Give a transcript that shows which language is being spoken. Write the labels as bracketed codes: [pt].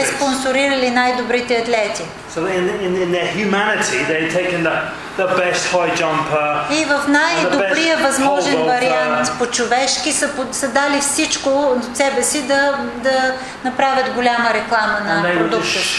[bg] Те спонсорирали най-добрите атлети. [en] So in their humanity, they've taken the best high jumper. [bg] И в най-добрия възможен вариант по човешки са дали всичко от себе си да направят голяма реклама на продукта.